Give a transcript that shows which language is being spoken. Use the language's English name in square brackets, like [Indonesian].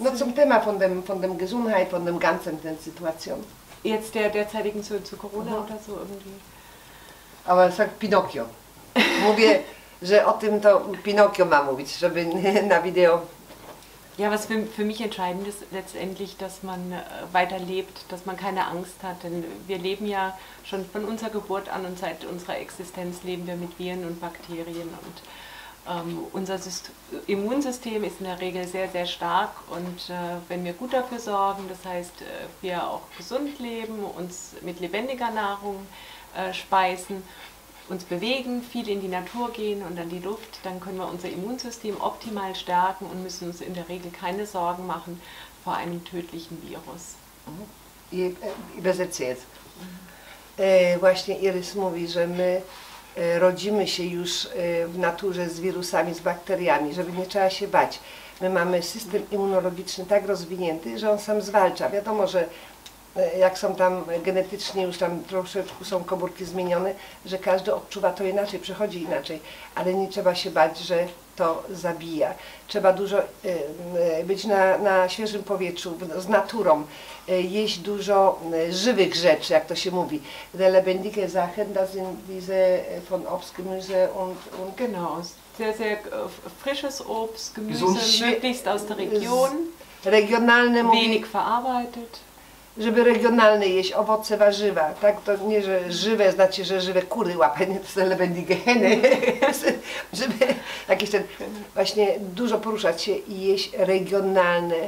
[German] No, zum Thema von dem Gesundheit, von dem ganzen der Situation. Jetzt der derzeitigen zu Corona oder so irgendwie? Aber sag Pinocchio. [Polish] Mówię, że o tym to Pinocchio ma mówić, żeby na Video. [German] Ja, was für mich entscheidend ist letztendlich, dass man weiterlebt, dass man keine Angst hat, denn wir leben ja schon von unserer Geburt an und seit unserer Existenz leben wir mit Viren und Bakterien und unser Immunsystem ist in der Regel sehr, sehr stark und wenn wir gut dafür sorgen, das heißt, wir auch gesund leben, uns mit lebendiger Nahrung speisen, uns bewegen, viel in die Natur gehen und an die Luft, dann können wir unser Immunsystem optimal stärken und müssen uns in der Regel keine Sorgen machen vor einem tödlichen Virus. Übersetze jetzt. [Polish] Właśnie Irys mówi, że my rodzimy się już w naturze z wirusami, z bakteriami, żeby nie trzeba się bać. My mamy system immunologiczny tak rozwinięty, że on sam zwalcza. Wiadomo, że jak są tam genetycznie, już tam troszeczkę są komórki zmienione, że każdy odczuwa to inaczej, przechodzi inaczej, ale nie trzeba się bać, że to zabija. Trzeba dużo być na świeżym powietrzu, z naturą, jeść dużo żywych rzeczy, jak to się mówi. [German] Der lebendige Sachen, das sind diese von Obst, Gemüse und genau, sehr, sehr frisches Obst, Gemüse, möglichst aus der Region. [Polish] Regionalne, [German] wenig verarbeitet. [Polish] Żeby regionalne jeść, owoce, warzywa, tak, to nie, że żywe, znaczy, że żywe kury łapę, nie, to [German] lebendige Hähne, [Polish] żeby jakieś ten, właśnie dużo poruszać się i jeść regionalne,